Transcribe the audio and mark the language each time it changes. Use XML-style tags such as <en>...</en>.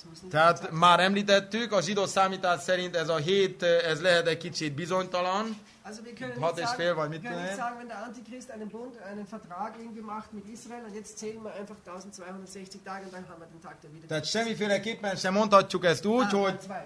<hu>Tehát már említettük, a zsidó számítás szerint ez a hét, ez lehet egy kicsit bizonytalan. Hat és fél, vagy mit tudom én.</hu> <de>Wenn der Antichrist einen Bund, einen Vertrag irgendwie macht mit Israel, und jetzt zählen wir einfach 1260 Tage, und dann haben wir den Tag der Wiedergabe.</de> <hu>Tehát semmiféleképpen sem mondhatjuk ezt úgy, hogy...</hu>